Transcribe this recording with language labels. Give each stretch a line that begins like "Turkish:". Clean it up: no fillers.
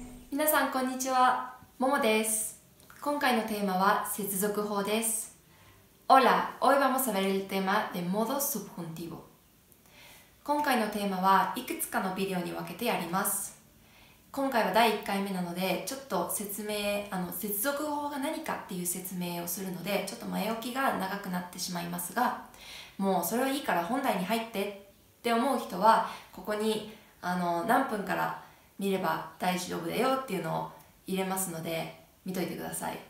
Japanese: 皆さんこんにちは、ももです。今回のテーマは接続法です。
Spanish: Hola, hoy vamos a ver el tema de modo subjuntivo。
Japanese: 今回のテーマはいくつかのビデオに分けてやります。今回は第1回目なので、ちょっと説明、接続法が何かっていう説明をするので、ちょっと前置きが長くなってしまいますが、もうそれはいいから本題に入ってって思う人はここに何分から見れば大丈夫だよっていうのを入れますので見といてください。